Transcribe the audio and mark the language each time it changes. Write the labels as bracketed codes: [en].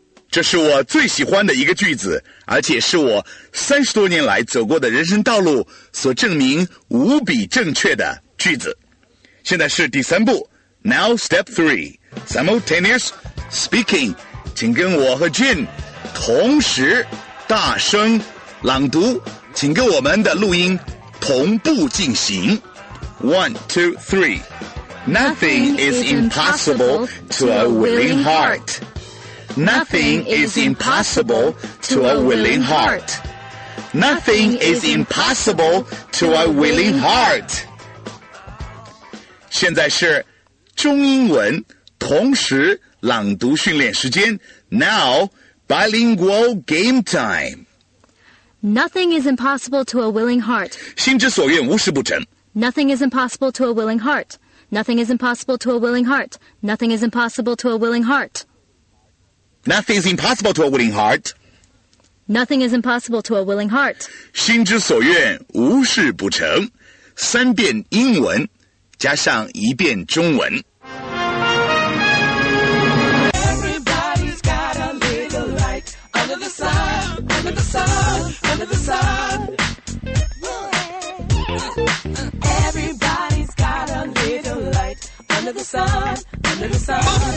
[zh] 这是我最喜欢的一个句子，而且是我三十多年来走过的人生道路所证明无比正确的句子。现在是第三步 ， [en] Now Step 3 Simultaneous Speaking， [zh] 请跟我和 Jin 同时大声朗读，请跟我们的录音同步进行。 [en] One, two, three. Nothing is impossible to a willing heart. Nothing is impossible to a willing heart. Nothing is impossible to a willing heart. [zh] 现在是中英文同时朗读训练时间。 [en] Now, bilingual game time. Nothing is impossible to a willing heart. [zh] 心之所愿无事不成。 [en] Nothing is impossible to a willing heart. Nothing is impossible to a willing heart. Nothing is impossible to a willing heart. Nothing is impossible to a willing heart. Nothing is impossible to a willing heart. [zh] 心之所愿无事不成。三遍英文加上一遍中文。 [en] Everybody's got a little light under the sun, under the sun, under the sun. Everybody's got a little light under the sun.